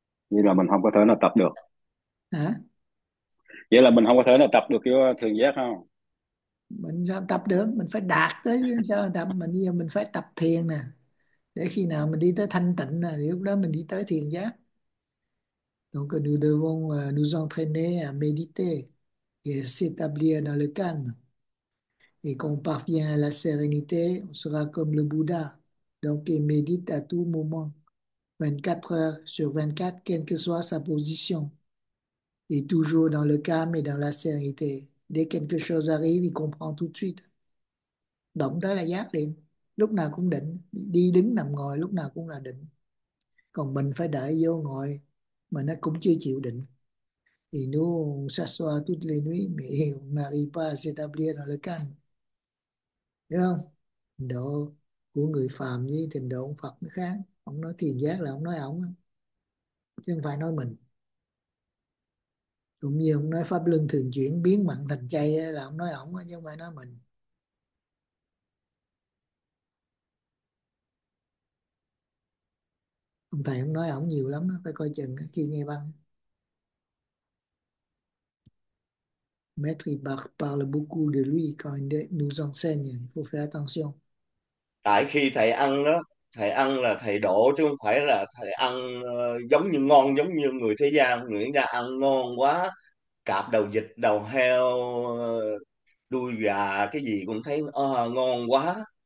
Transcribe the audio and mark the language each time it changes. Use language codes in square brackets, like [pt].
[vi] Như là mình không có thể nào tập được. Hả? Vậy là mình không có thể nào tập được cái thường Mình sao tập được, mình phải đạt tới chứ sao tập, mình giờ mình phải tập thiền nè, để khi nào mình đi tới thanh tịnh nè, lúc đó mình đi tới thiền giác. [fr] Donc nous devons nous entraîner à méditer et s'établir dans le calme. Et quand on parvient à la sérénité, on sera comme le Bouddha. Donc il médite à tout moment, 24 heures sur 24, quelle que soit sa position. Et toujours dans le calme et dans la sérénité. Dès quelque chose arrive, il comprend tout de suite. [vi] Động tới là giác liền. Lúc nào cũng định. Đi đứng nằm ngồi lúc nào cũng là định. Còn mình phải đợi vô ngồi mà nó cũng chưa chịu định. [fr] Thì nous s'assoit toutes les nuits, mais on n'arrive pas à s'établir dans le calme. [vi] Thấy không? Trình độ của người phàm với trình độ ông Phật nó khác. Ông nói thiền giác là ông nói ông. Chứ không phải nói mình. Cũng như ông nói pháp luân thường chuyển biến mặn thành chay là ông nói ổng chứ không phải nói mình. Ông thầy ông nói ổng nhiều lắm, phải coi chừng khi nghe băng. [fr] Maître Bach parle beaucoup de lui quand il nous enseigne, il faut faire attention. [vi] Tại khi thầy ăn đó, thầy ăn là thầy độ chứ không phải là thầy ăn giống như ngon giống như người thế gian. Người ta ăn ngon quá, cạp đầu vịt, đầu heo, đuôi gà, cái gì cũng thấy ngon quá.